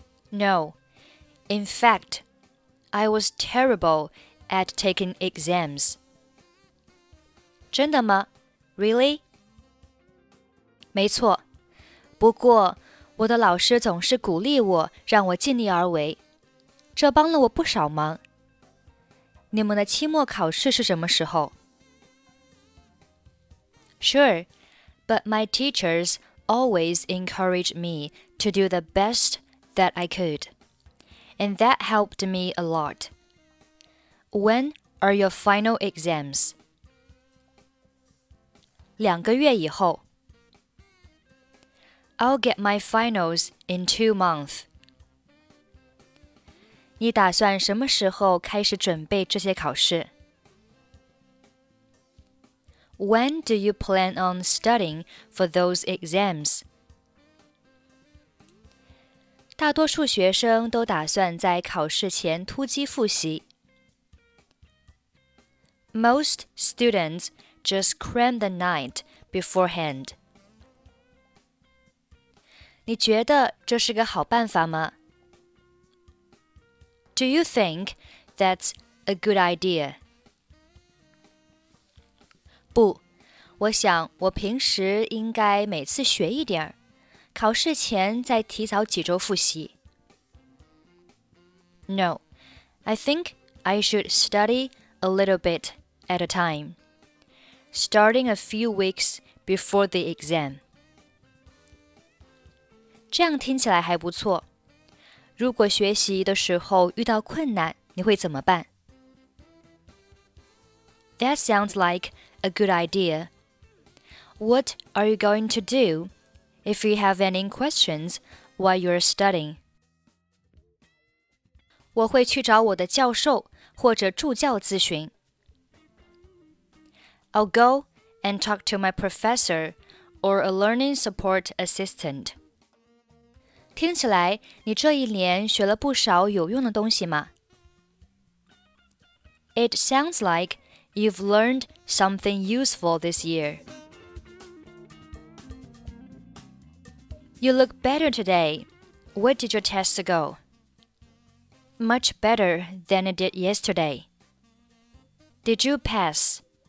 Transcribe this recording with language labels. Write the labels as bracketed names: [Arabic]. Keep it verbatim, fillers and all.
[English] No, in fact, I was terrible at taking exams. [Chinese] 真的吗？ [English] Really? [Chinese] 没错，不过我的老师总是鼓励我，让我尽力而为，这帮了我不少忙。你们的期末考试是什么时候？ [English] Sure, but my teachers always encouraged me to do the best that I could, and that helped me a lot. When are your final exams? [Chinese] 两个月以后。 [English] I'll get my finals in two months. [Chinese] 你打算什么时候开始准备这些考试？ [English] When do you plan on studying for those exams? [Chinese] 大多数学生都打算在考试前突击复习。 [English] Most students just cram the night beforehand. [Chinese] 你觉得这是个好办法吗? [English] Do you think that's a good idea? [Chinese] 不，我想我平时应该每次学一点，考试前再提早几周复习。 [English] No, I think I should study a little bit at a time, starting a few weeks before the exam. [Chinese] 这样听起来还不错。如果学习的时候遇到困难，你会怎么办？ [English] That sounds like a good idea. What are you going to do if you have any questions while you're studying? [Chinese] 我会去找我的教授或者助教咨询。 [English] I'll go and talk to my professor or a learning support assistant. [Chinese] 听起来你这一年学了不少有用的东西吗？ [English] It sounds like you've learned something useful this year. You look better today. Where did your test go? Much better than it did yesterday. Did you pass?